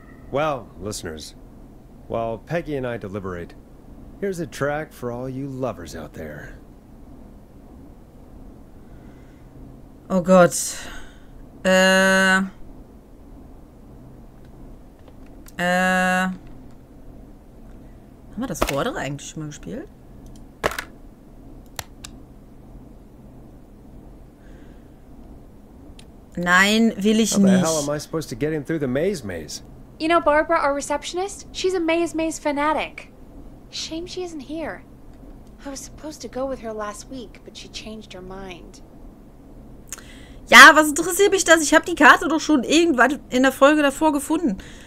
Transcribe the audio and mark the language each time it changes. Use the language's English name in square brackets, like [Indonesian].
[English] Well, listeners, while Peggy and I deliberate, here's a track for all you lovers out there. Oh God. [German] Haben wir das vordere eigentlich schon mal gespielt? Nein, will ich nicht. [English] How the hell am I supposed to get him through the maze maze? You know Barbara, our receptionist? She's a maze maze fanatic. Shame she isn't here. I was supposed to go with her last week, but she changed her mind. [German] Ja, was interessiert mich das? Ich habe die Karte doch schon irgendwann in der Folge davor gefunden.